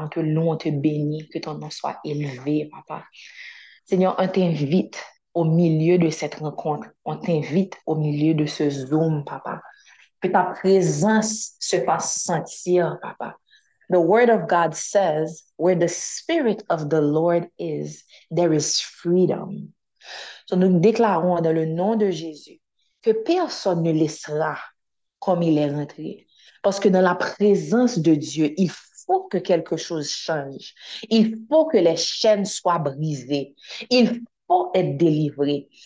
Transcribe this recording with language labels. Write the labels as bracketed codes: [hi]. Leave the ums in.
[fr] On te te bénit, que ton nom soit élevé, papa. Seigneur, on t'invite au milieu de cette rencontre. On t'invite au milieu de ce Zoom, papa. Que ta présence se fasse sentir, papa. [en] The word of God says, where the spirit of the Lord is, there is freedom. [fr] Nous so, nous déclarons dans le nom de Jésus que personne ne laissera comme il est rentré. Parce que dans la présence de Dieu, il faut faut que quelque chose change. Il faut que les chaînes soient brisées. Il faut être délivré.